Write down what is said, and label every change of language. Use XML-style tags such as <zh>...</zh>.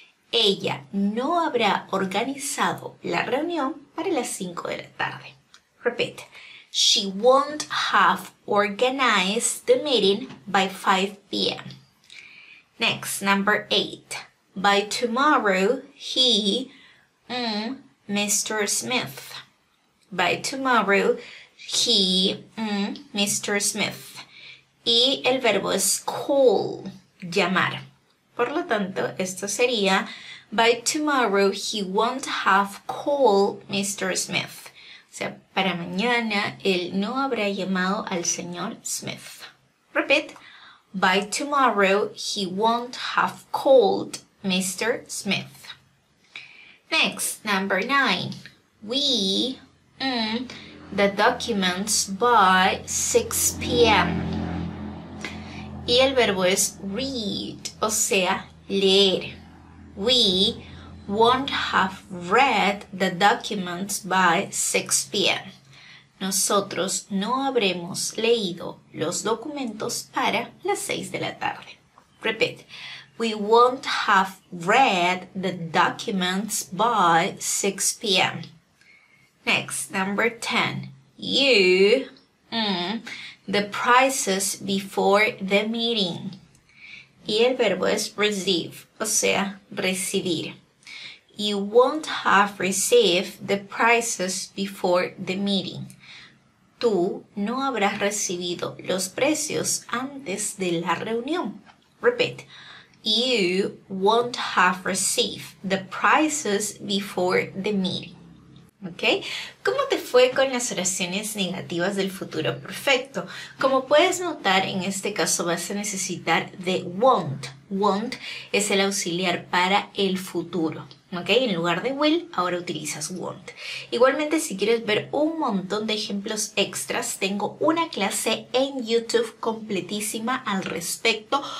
<es>Ella no habrá organizado la reunión para las 5 de la tarde.</es> <en>Repeat. She won't have organized the meeting by 5 p.m. Next, number 8. By tomorrow, he, Mr. Smith. By tomorrow, he, Mr. Smith.</en> <es>Y el verbo es call, llamar. Por lo tanto, esto sería,</es> <en>by tomorrow he won't have called Mr. Smith.</en> <es>O sea, para mañana él no habrá llamado al señor Smith.</es> <en>Repeat. By tomorrow he won't have called Mr. Smith. Next, number 9. We, the documents by 6 p.m.</en> <es>Y el verbo es read, o sea, leer.</es> <en>We won't have read the documents by 6 p.m.</en> <es>Nosotros no habremos leído los documentos para las 6 de la tarde.</es> <en>Repeat. We won't have read the documents by 6 p.m. Next, number 10. You, the prices before the meeting.</en> <es>Y el verbo es receive, o sea, recibir.</es> <en>You won't have received the prices before the meeting.</en> <es>Tú no habrás recibido los precios antes de la reunión.</es> <en>Repeat. You won't have received the prices before the meeting. ¿Okay?</en> <es>¿Cómo te fue con las oraciones negativas del futuro perfecto? Como puedes notar, en este caso vas a necesitar de won't. Won't es el auxiliar para el futuro. ¿Okay? En lugar de will, ahora utilizas won't. Igualmente, si quieres ver un montón de ejemplos extras, tengo una clase en YouTube completísima al respecto.</es>